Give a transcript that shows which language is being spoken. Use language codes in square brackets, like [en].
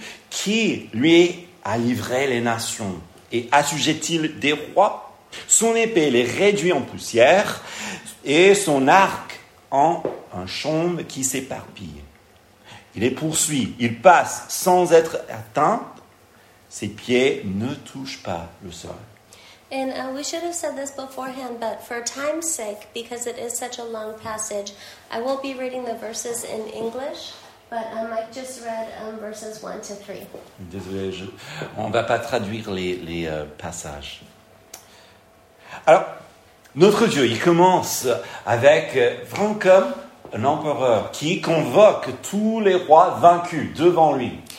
[fr] Qui lui a livré les nations et assujettit des rois? Son épée les réduit en poussière et son arc en un chaume qui s'éparpille. Il les poursuit, il passe sans être atteint, ses pieds ne touchent pas le sol. [en] And we should have said this beforehand, but for time's sake, because it is such a long passage, I won't be reading the verses in English, but Mike just read verses 1 to 3. [fr] Désolé, on ne va pas traduire les passages. Alors, notre Dieu, il commence avec vraiment comme un empereur qui convoque tous les rois vaincus devant lui.